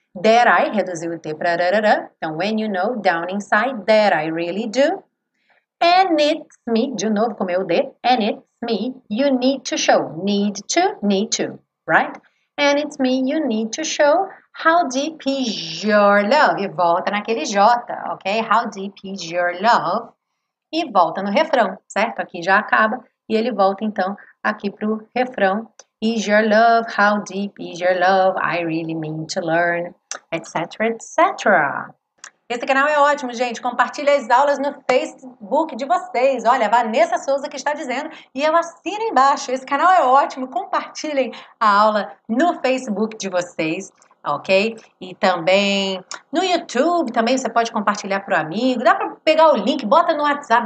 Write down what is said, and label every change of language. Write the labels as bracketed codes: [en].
[pt] That I, reduziu o T para rararã. Então, [en] when you know down inside, that I really do. And it's me, [pt] de novo com o meu D. [en] And it's me you need to show. Need to, right? And it's me you need to show how deep is your love. [pt] E volta naquele J, ok? How deep is your love? E volta no refrão, certo? Aqui já acaba e ele volta então aqui pro refrão. [en] Is your love? How deep is your love? I really mean to learn, etc, etc. [pt] Esse canal é ótimo, gente. Compartilha as aulas no Facebook de vocês. Olha, Vanessa Souza que está dizendo e eu assino embaixo. Esse canal é ótimo. Compartilhem a aula no Facebook de vocês. Ok? E também no YouTube também você pode compartilhar para o amigo. Dá para pegar o link, bota no WhatsApp.